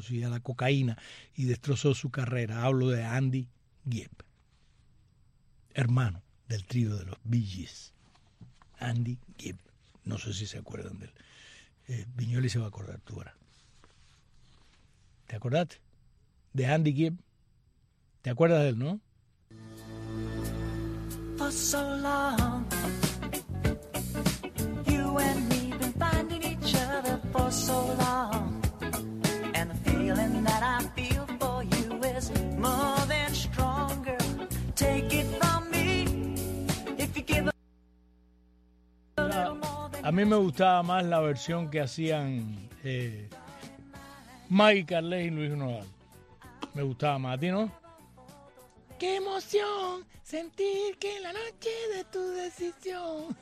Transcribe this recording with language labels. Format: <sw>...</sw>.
<es>Sí, a la cocaína, y destrozó su carrera. Hablo de Andy Gibb, hermano del trío de los Bee Gees, Andy Gibb. No sé si se acuerdan de él. Viñoli se va a acordar tú ahora. ¿Te acordaste de Andy Gibb? ¿Te acuerdas de él, no?</es> <en>For so long, you and me been finding each other for so long, and the feeling that I feel for you is more than stronger. Take it from.</en> <es>A mí me gustaba más la versión que hacían Maggie Carles y Luis Nodal. Me gustaba más. ¿A ti no? ¡Qué emoción sentir que en la noche de tu decisión!</es>